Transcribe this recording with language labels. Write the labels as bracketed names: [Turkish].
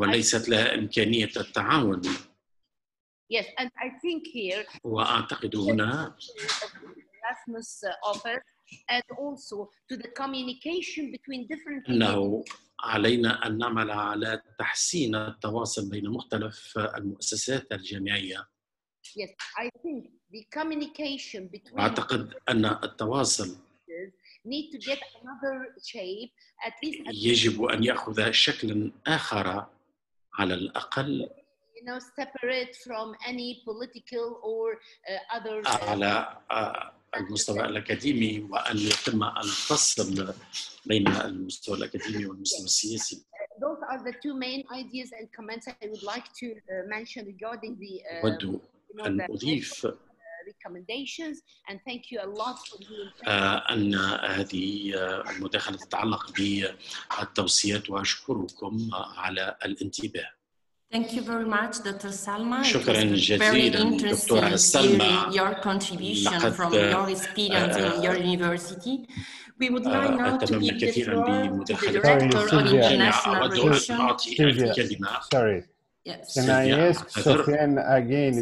[Arabic] وليست لها إمكانية التعاون. [English] Yes, and I think here. [Arabic] وأعتقد هنا. [English] Erasmus office and also to the communication between different. [Arabic] إنه علينا أن نعمل على تحسين التواصل بين مختلف المؤسسات الجامعية. [English] Yes, I think the communication between. [Arabic] أعتقد أن التواصل. [English] Need to get another shape at least. [Arabic] يجب أن يأخذ شكل آخر على الأقل. [English] You know, separate from any political or other. [Arabic] على المستوى الأكاديمي وأن يتم الفصل بين المستوى الأكاديمي والمستوى السياسي. [English] Those are the two main ideas and comments I would like to mention regarding the. [Arabic] أود أن أضيف. [English] recommendations, and thank you a lot for being [Arabic] أن هذه المداخلة تتعلق بالتوصيات وأشكركم على الانتباه. [English] Thank you very much, Dr. Salma. [Arabic] شكرا جزيلا دكتورة سلمى. [English] Your contribution from your experience in your university. We would like now to give the floor to the director of international relations. Sorry. Yes. Can I ask Sofiane again?